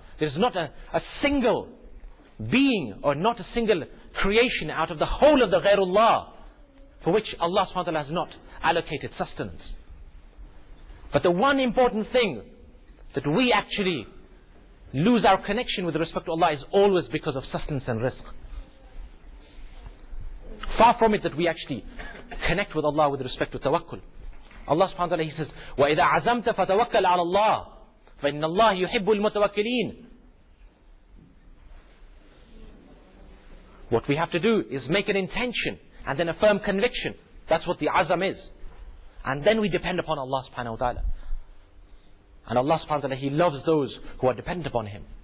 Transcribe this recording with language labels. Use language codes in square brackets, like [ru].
[en] There is not a single being or not a single creation out of the whole of the ghairullah for which Allah subhanahu wa ta'ala has not allocated sustenance. But the one important thing that we actually lose our connection with respect to Allah is always because of sustenance and rizq. Far from it that we actually connect with Allah with respect to tawakkul. [ar] Allah subhanahu wa ta'ala, [en] He says, [ar] وَإِذَا عَزَمْتَ فَتَوَكَّلْ عَلَى اللَّهِ فَإِنَّ اللَّهِ يُحِبُّ الْمُتَوَكِّلِينَ. [en] What we have to do is make an intention and then a firm conviction. That's what the azam is. And then we depend upon Allah subhanahu wa ta'ala. And Allah subhanahu wa ta'ala, He loves those who are dependent upon Him.